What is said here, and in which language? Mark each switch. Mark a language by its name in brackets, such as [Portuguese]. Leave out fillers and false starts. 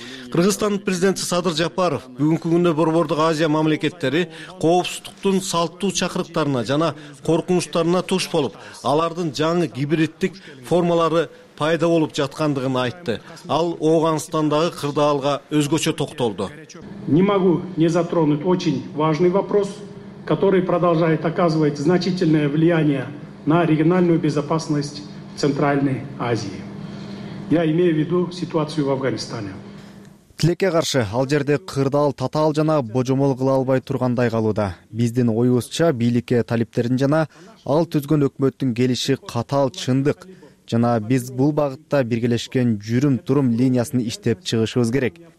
[Kyrgyz] Кыргызстан президенти Садыр Жапаров бүгүнкү күндө борбордук Азия мамлекеттери коопсуздуктун салттуу чакырыктарына жана коркунучтарына туш болуп, алардын жаңы гибриддик формалары пайда болуп жаткандыгын айтты. Ал Ооганстандагы кырдаалга өзгөчө токтолду. [Russian] Не могу не затронуть очень важный вопрос, который продолжает оказывать значительное влияние на региональную безопасность Центральной Азии. Я имею в виду ситуацию в Афганистане. [Kyrgyz] Тилекке каршы ал жерде кырдаал татаал жана божомол кыла албай тургандай калууда. Биздин оюбузча бийликке талиптердин жана ал түзгөн өкмөттүн келиши катаал чындык жана биз бул багытта биргелешкен жүрүм-турум линиясын иштеп чыгышыбыз керек.